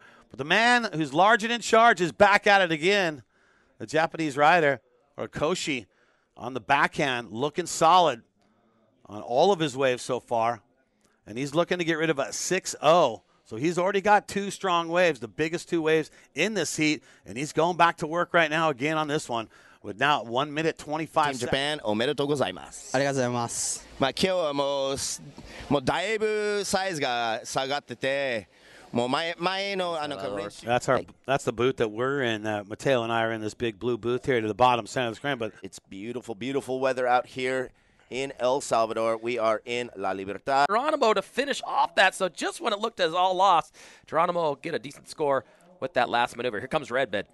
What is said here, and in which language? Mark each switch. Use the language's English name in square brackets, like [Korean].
[English] But the man who's large and in charge is back at it again. The Japanese rider, Horikoshi, on the backhand, looking solid on all of his waves so far. And he's looking to get rid of a 6-0. So he's already got two strong waves, the biggest two waves in this heat. And he's going back to work right now again on this one. With now 1 minute 25 seconds. [Japanese] Japan, おめでとうございます。ありがとうございます。まあ今日はもうだいぶサイズが下がってて、もう前のあの練習。 [English] That's the booth that we're in. Mateo and I are in this big blue booth here to the bottom center of the screen. But it's beautiful, beautiful weather out here in El Salvador. We are in La Libertad. Geronimo to finish off that. So just when it looked as all lost, Geronimo get a decent score. With that last maneuver, here comes Redbed.